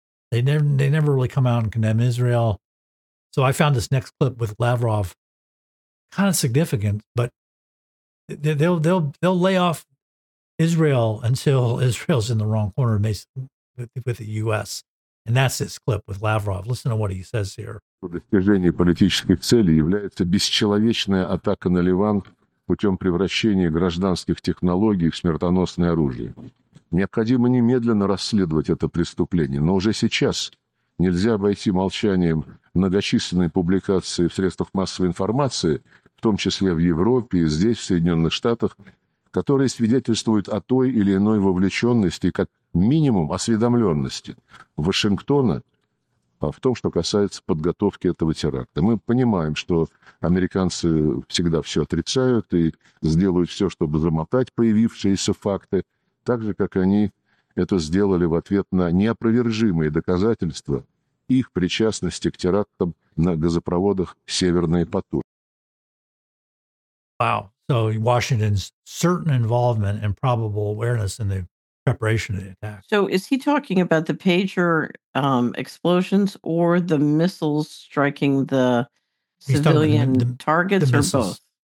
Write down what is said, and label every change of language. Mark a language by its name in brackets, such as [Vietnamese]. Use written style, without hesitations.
[English] They never really come out and condemn Israel. So I found this next clip with Lavrov kind of significant, but they'll lay off Israel until Israel's in the wrong corner with the U.S. And that's this clip with Lavrov. Listen to what he says here. [Russian] Достижение политических целей является бесчеловечная атака на Ливан путем превращения гражданских технологий в смертоносное оружие. Необходимо немедленно расследовать это преступление, но уже сейчас нельзя обойти молчанием многочисленные публикации в средствах массовой информации, в том числе в Европе и здесь, в Соединенных Штатах, которые свидетельствуют о той или иной вовлеченности, как минимум осведомленности Вашингтона в том, что касается подготовки этого теракта. Мы понимаем, что американцы всегда все отрицают и сделают все, чтобы замотать появившиеся факты, так же, как они это сделали в ответ на неопровержимые доказательства их причастности к терактам на газопроводах «Северный поток». [English] Wow. So Washington's certain involvement and probable awareness in the preparation of the attack. So is he talking about the pager explosions or the missiles striking the civilian targets, or both?